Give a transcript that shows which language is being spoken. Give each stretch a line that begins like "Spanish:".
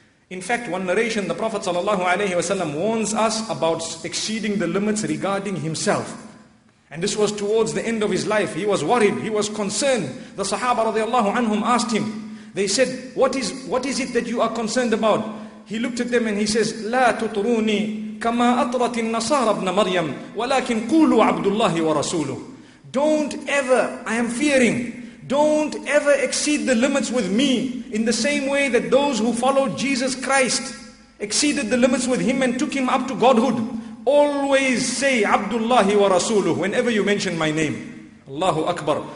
English: In fact, one narration, the Prophet sallallahu alayhi wasallam warns us about exceeding the limits regarding himself. And this was towards the end of his life. He was worried. He was concerned. The Sahaba radiallahu anhum asked him. They said, what is it that you are concerned about? He looked at them and he says,
Arabic: لا تطروني كما أطرت النصارى ابن مريم ولكن قولوا عبد الله ورسوله.
English: Don't ever, I am fearing, don't ever exceed the limits with me in the same way that those who followed Jesus Christ exceeded the limits with him and took him up to Godhood. Always say Abdullahi wa Rasuluh whenever you mention my name. Allahu Akbar.